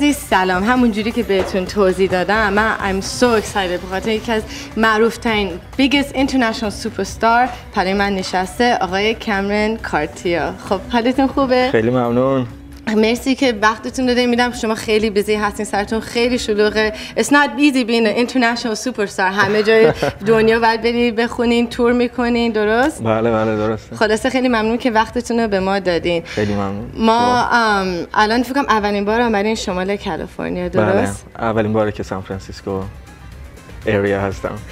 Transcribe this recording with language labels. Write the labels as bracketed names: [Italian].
[Persian] سلام، همونجوری که بهتون توضیح دادم، من [English] I'm so excited [Persian] بخاطر یکی از معروفترین [English] biggest international superstar [Persian] پلی من نشسته، آقای کامرون کارتیو. خب حالتون خوبه؟ خیلی ممنون، مرسی که وقتتون دادیم. میدم شما خیلی بیزی هستین، سرتون خیلی شلوغه. [English] It's not easy being an international superstar. [Persian] همه جای دنیا باید برید بخونین، تور میکنین، درست؟ بله بله درسته. خلاصه خیلی ممنون که وقتتون رو به ما دادین. خیلی ممنون. ما الان فکرم اولین بار آمدین شمال کالیفرنیا، درست؟ بله، اولین باره که سان فرانسیسکو [English] area [Persian] هستم.